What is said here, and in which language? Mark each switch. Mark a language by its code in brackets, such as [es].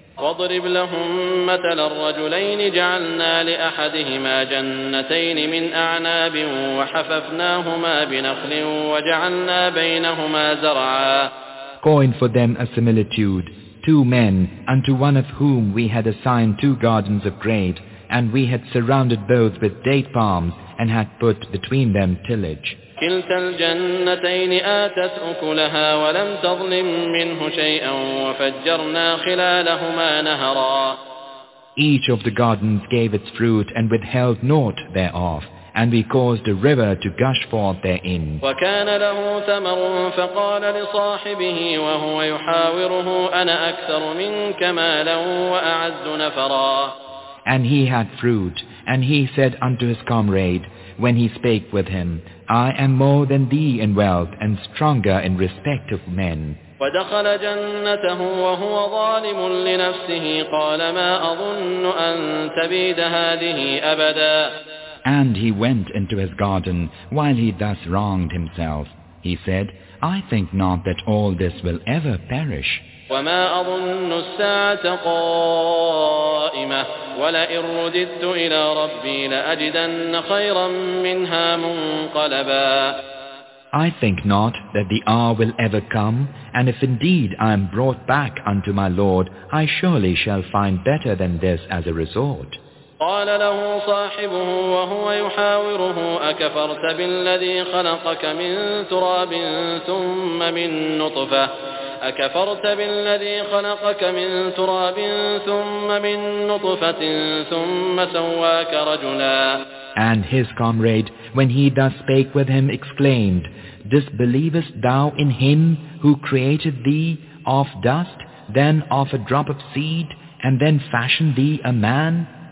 [ar] وَاضْرِبْ لَهُمْ مَثَلَ الرَّجُلَيْنِ جَعَلْنَا لِأَحَدِهِمَا جَنَّتَيْنِ مِنْ أَعْنَابٍ وَحَفَفْنَاهُمَا بِنَخْلٍ وَجَعَلْنَا بَيْنَهُمَا زَرْعًا. [en] Coin for them a similitude, two men, unto one of whom we had assigned two gardens of grape, and we had surrounded both with date palms, and had put between them tillage. [ar] كلتا الجنتين آتت أكلها ولم تظلم منه شيئا وفجرنا خلالهما نهرا. [en] Each of the gardens gave its fruit and withheld naught thereof, and we caused a river to gush forth therein. [ar] وكان له ثمر فقال لصاحبه وهو يحاوره أنا أكثر منك مالا وأعز نفرا. [en] And he had fruit, and he said unto his comrade, when he spake with him, I am more than thee in wealth and stronger in respect of men. [ar] ودخل جنته وهو ظالم لنفسه قال ما أظن أن تبيد هذه أبدا. [en] And he went into his garden while he thus wronged himself. He said, I think not that all this will ever perish. [ar] وما أظن الساعة قائمة ولئن رددت إلى ربي لأجدن خيرا منها منقلبا. [en] I think not that the hour will ever come, and if indeed I am brought back unto my Lord, I surely shall find better than this as a resort. [ar] قال له صاحبه وهو يحاوره أكفرت بالذي خلقك من تراب ثم من نطفة أكفرت بالذي خلقك من تراب ثم من نطفة ثم سواك رجلا. [en] And his comrade, when he thus spake with him, exclaimed, Disbelievest thou in him who created thee of dust, then of a drop of seed, and then fashioned thee a man?